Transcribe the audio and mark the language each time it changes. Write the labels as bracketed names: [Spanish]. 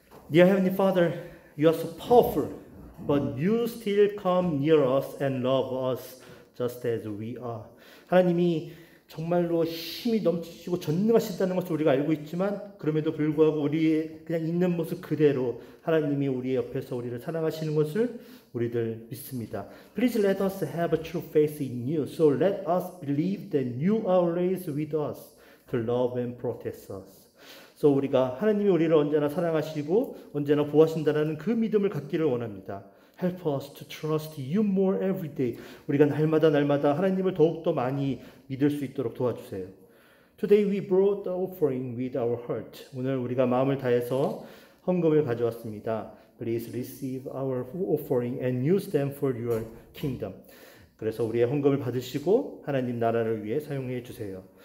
[English] Dear Heavenly Father, You are so powerful, but You still come near us and love us just as we are. [Korean] 하나님이 정말로 힘이 넘치시고 전능하시다는 것을 우리가 알고 있지만 그럼에도 불구하고 우리의 그냥 있는 모습 그대로 하나님이 우리의 옆에서 우리를 사랑하시는 것을 우리들 믿습니다. [English] Please let us have a true faith in you. So let us believe that you are always with us to love and protect us. [Korean] 그래서 우리가 하나님이 우리를 언제나 사랑하시고 언제나 보호하신다는 그 믿음을 갖기를 원합니다. [English] Help us to trust you more every day. [Korean] 우리가 날마다 날마다 하나님을 더욱더 많이 믿을 수 있도록 도와주세요. [English] Today we brought the offering with our heart. [Korean] 오늘 우리가 마음을 다해서 헌금을 가져왔습니다. [English] Please receive our offering and use them for your kingdom. [Korean] 그래서 우리의 헌금을 받으시고 하나님 나라를 위해 사용해 주세요.